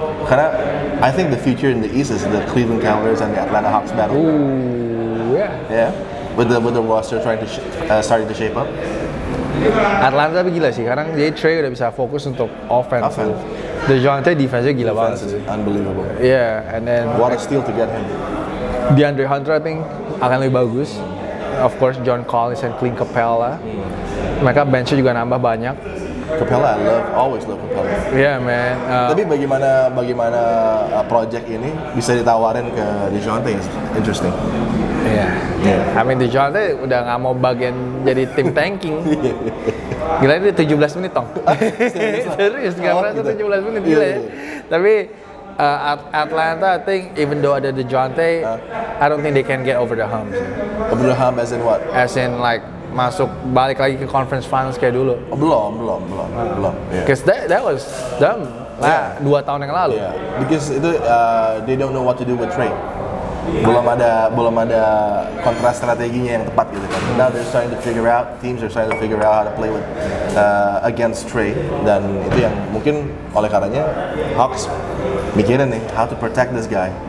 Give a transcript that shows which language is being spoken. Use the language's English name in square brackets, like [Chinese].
[Indonesian] Karena [English] I think the future in the East is the Cleveland Cavaliers and the Atlanta Hawks battle. Ooh, yeah. Yeah, with the roster trying to starting to shape up. [Indonesian] Atlanta tapi gila sih. Karena jadi Trey udah bisa fokus untuk offense. DeJounte defense-nya gila banget. [English] Defense is unbelievable. Yeah, and then what a steal to get him. DeAndre Hunter I think [Indonesian] akan lebih bagus. [English] Of course John Collins and Clint Capella. [Indonesian] Mereka bench-nya juga nambah banyak. [English] Capella, I love, always love Capella. Yeah man. [Indonesian] Tapi bagaimana project ini bisa ditawarin ke DeJounte [English] is interesting. Yeah. I mean [Indonesian] DeJounte udah gak mau bagian jadi tim tanking. Gila ini 17 menit tong. Serius, gak merasa 17 menit gila ya. Tapi [English] Atlanta, I think even though [Indonesian] ada [English] DeJounte, I don't think they can get over the hump. Over the hump as in what? As in like [Indonesian] masuk balik lagi ke conference finals kayak dulu. Belum. Yeah. [English] Cause that was them [Indonesian] dua tahun yang lalu. [English] Yeah. Because itu they don't know what to do with Trey. [Indonesian] Belum ada kontra strateginya yang tepat gitu kan. [English] Now they're starting to figure out, teams are starting to figure out how to play with against Trey, [Indonesian] dan itu yang mungkin oleh karanya Hawks mikirin nih, [English] how to protect this guy.